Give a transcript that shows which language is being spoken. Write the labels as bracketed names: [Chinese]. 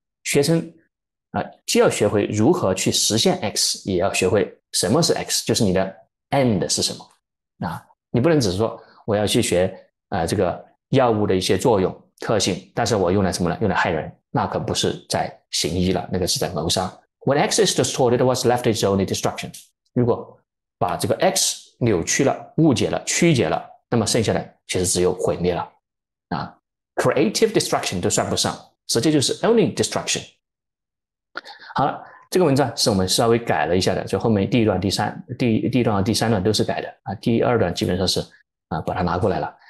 [Chinese] 学生既要学会如何去实现 x， 也要学会什么是 x， 就是你的 end 是什么啊。你不能只是说我要去学。这个药物的一些作用特性，但是我用来什么呢？用来害人，那可不是在行医了，那个是在谋杀。 [English] When X is distorted, what's left is only destruction。 [Chinese] 如果把这个 X 扭曲了、误解了、曲解了，那么剩下的其实只有毁灭了。 Creative destruction 都算不上，直接就是 [English] only destruction。 [Chinese] 好了，这个文章是我们稍微改了一下的，就后面第一段、第一段和第三段都是改的第二段基本上是。把它拿过来了。